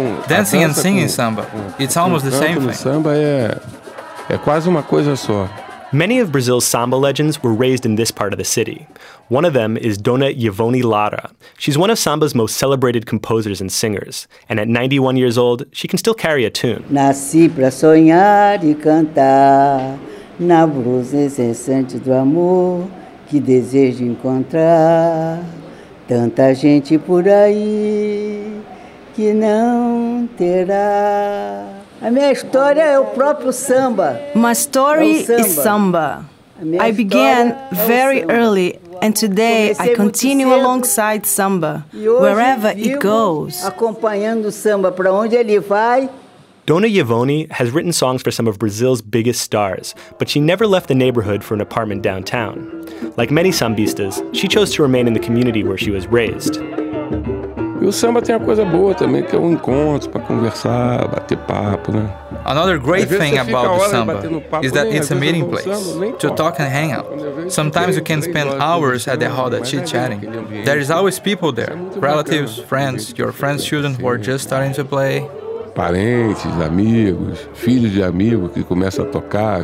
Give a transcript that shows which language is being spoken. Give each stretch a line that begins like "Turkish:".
English: Dancing and singing samba, it's almost the same thing.
Portuguese: Samba é quase uma coisa só.
English: Many of Brazil's samba legends were raised in this part of the city. One of them is Dona Yvonne Lara. She's one of samba's most celebrated composers and singers. And at 91 years old, she can still carry a tune.
Portuguese: Nasci pra sonhar e cantar na luz incessante do amor que desejo encontrar. Tanta gente por aí que não terá. A minha história é o próprio samba.
English: My story is samba. I began very early, and today I continue alongside samba, wherever it goes.
Portuguese: Acompanhando samba para onde ele vai.
English: Dona Yvonne has written songs for some of Brazil's biggest stars, but she never left the neighborhood for an apartment downtown. Like many sambistas, she chose to remain in the community where she was raised.
Portuguese: E o samba tem uma coisa boa também, que é um encontro para conversar, bater papo, né?
English: Another great thing about the samba is that it's a meeting place to talk and hang out. Sometimes you can spend hours at the roda chit-chatting. There is always people there, relatives, friends, your friends' children who are just starting to play.
Portuguese: Parentes, amigos, filhos de amigos que começam a tocar.